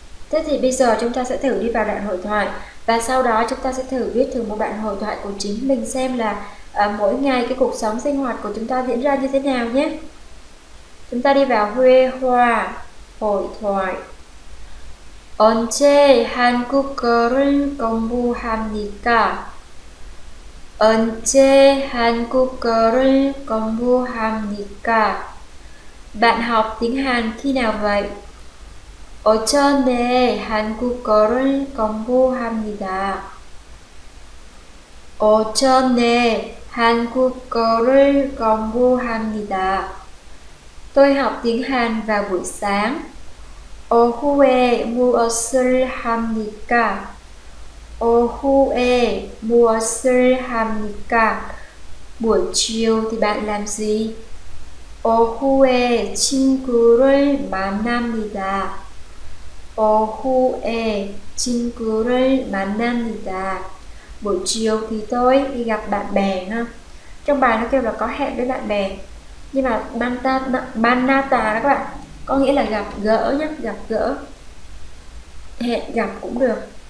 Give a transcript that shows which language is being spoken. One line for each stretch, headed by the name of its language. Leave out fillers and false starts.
Vietnamese: Thế thì bây giờ chúng ta sẽ thử đi vào đoạn hội thoại. Và sau đó chúng ta sẽ thử viết thử một đoạn hội thoại của chính mình xem là mỗi ngày cái cuộc sống sinh hoạt của chúng ta diễn ra như thế nào nhé. Chúng ta đi vào huê hoa hội thoại.
Korean: 언제 한국어를 공부합니까? 언제 한국어를 공부합니까?
Vietnamese: Bạn học tiếng Hàn khi nào vậy?
Korean: 어제 한국어를 공부합니다. 어제 한국어를 공부합니다.
Vietnamese: Tôi học tiếng Hàn vào buổi sáng.
Korean: 오후에 무엇을 합니까? 오후에 무엇을 합니까?
Vietnamese: Buổi chiều thì bạn làm gì?
Korean: 오후에 친구를 만납니다. 오후에 친구를 만납니다.
Vietnamese: Buổi chiều thì tôi đi gặp bạn bè ha. Trong bài nó kêu là có hẹn với bạn bè. Nhưng mà manata đó các bạn, có nghĩa là gặp gỡ nhé, gặp gỡ, hẹn gặp cũng được.